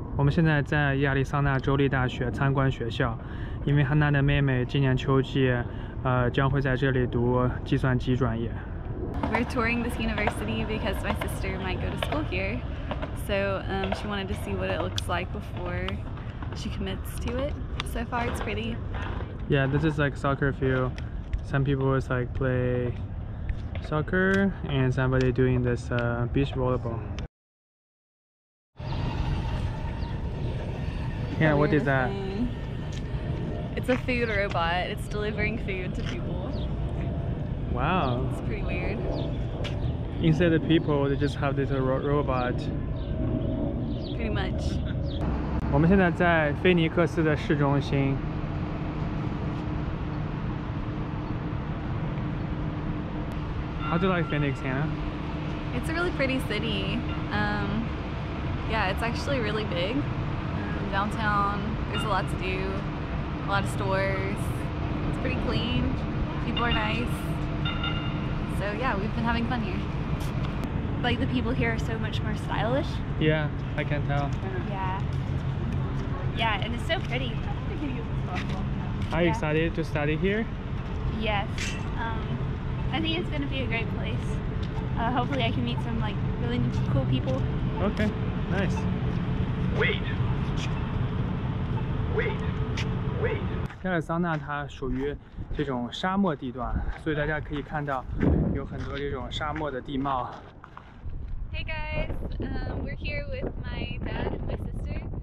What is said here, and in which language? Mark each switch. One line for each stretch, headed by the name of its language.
Chinese: 我们现在在亚利桑那州立大学参观学校，因为涵娜的妹妹今年秋季，将会在这里读计算机专业。
English: We're touring this university because my sister might go to school here, so she wanted to see what it looks like before she commits to it. So far, it's pretty. Yeah, this is like soccer field. Some people is like play soccer, and somebody doing this beach volleyball. Yeah, what is that? It's a food robot. It's delivering food to people. Wow. It's pretty weird. Instead of people, they just have this robot. Pretty much.
Chinese: 我们现在在菲尼克斯的市中心。
English: How do you like Phoenix, Hannah? It's a really pretty city. Yeah, it's actually really big. Downtown, there's a lot to do, a lot of stores. It's pretty clean. People are nice. So yeah, we've been having fun here. Like the people here are so much more stylish. Yeah, I can tell. Yeah. Yeah, and it's so pretty. Are you excited to study here? Yes. I think it's gonna be a great place. Hopefully I can meet some like really cool people. Okay, nice. Wait.
Chinese: 亚利桑那它属于这种沙漠地段，所以大家可以看到有很多这种沙漠的地貌。
English: Hey guys, we're here with my dad and my sister.